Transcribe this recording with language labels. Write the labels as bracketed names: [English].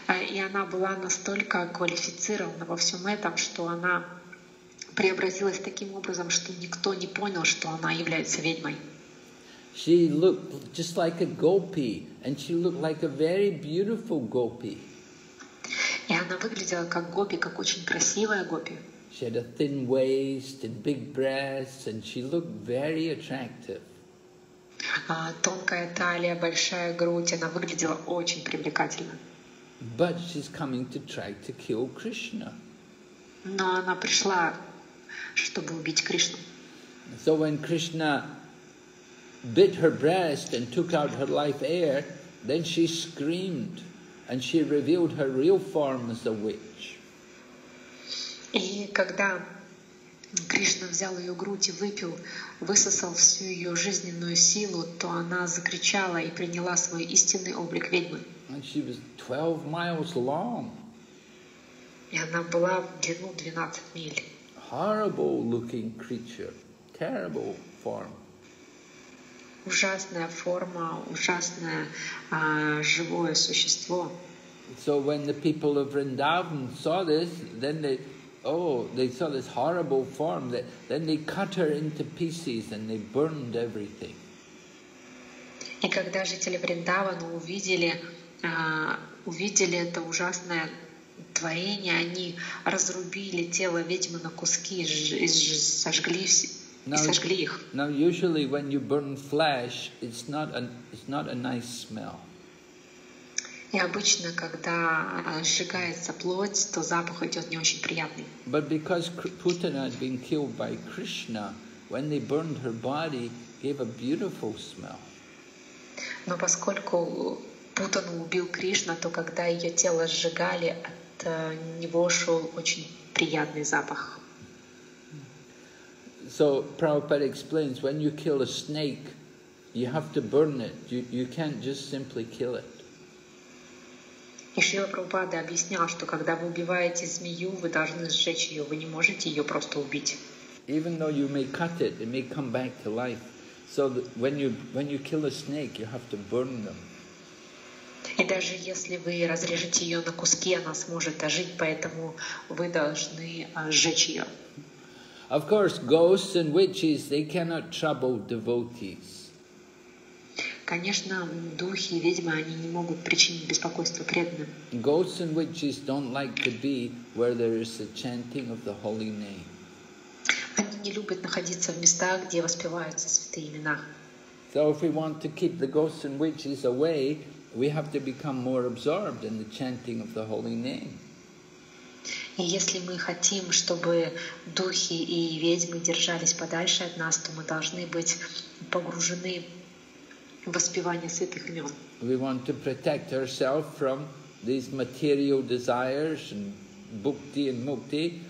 [Russian] И она была настолько квалифицирована во всем этом, что она преобразилась таким образом, что никто не понял, что она является ведьмой. [English] She looked just like a gopi, and she looked like a very beautiful gopi. [Russian] И она выглядела как гопи, как очень красивая гопи. [English] She had a thin waist and big breasts, and she looked very attractive. [Russian] Тонкая талия, большая грудь, она выглядела очень привлекательно. [English] But she's coming to try to kill Krishna. [Russian] Но она пришла, чтобы убить Кришну. [English] So when Krishna bit her breast and took out her life air, then she screamed, and she revealed her real form as a witch. [Russian] И когда Кришна взял ее грудь и выпил, высосал всю ее жизненную силу, то она закричала и приняла свой истинный облик ведьмы. [English] And she was 12 miles long. [Russian] И она была в длину 12 миль. [English] Horrible looking creature, terrible form. [Russian] Ужасная форма, ужасное живое существо. [English] So when the people of Vrindavan saw this, then they oh, they saw this horrible form, that then they cut her into pieces and they burned everything. [Russian] И когда жители Вриндавана увидели, увидели это ужасное творение, они разрубили тело ведьмы на куски и сожгли все. [English] Now, usually when you burn flesh, it's not a nice smell. [Russian] И обычно, когда сжигается плоть, то запах идет не очень приятный. [English] But because Putana had been killed by Krishna, when they burned her body, gave a beautiful smell. [Russian] Но поскольку Путану убил Кришна, то когда ее тело сжигали, от него шел очень приятный запах. [English] So Prabhupada explains, when you kill a snake, you have to burn it. You can't just simply kill it. [Russian] И Шрила Прабхупада объяснял, что когда вы убиваете змею, вы должны сжечь ее, вы не можете ее просто убить. [English] Even though you may cut it, it may come back to life. So when you kill a snake, you have to burn them. [Russian] И даже если вы разрежете ее на куски, она сможет ожить, поэтому вы должны сжечь ее. [English] Of course, ghosts and witches, they cannot trouble devotees. [Russian] Конечно, духи и ведьмы, они не могут причинить беспокойство преданным. [English] Ghosts and witches don't like to be where there is a chanting of the holy name. [Russian] Они не любят находиться в местах, где воспеваются святые имена. [English] So if we want to keep the ghosts and witches away, we have to become more absorbed in the chanting of the holy name. [Russian] И если мы хотим, чтобы духи и ведьмы держались подальше от нас, то мы должны быть погружены в воспевание святых имен. [English] We want to protect ourselves from these material desires and bhukti and mukti.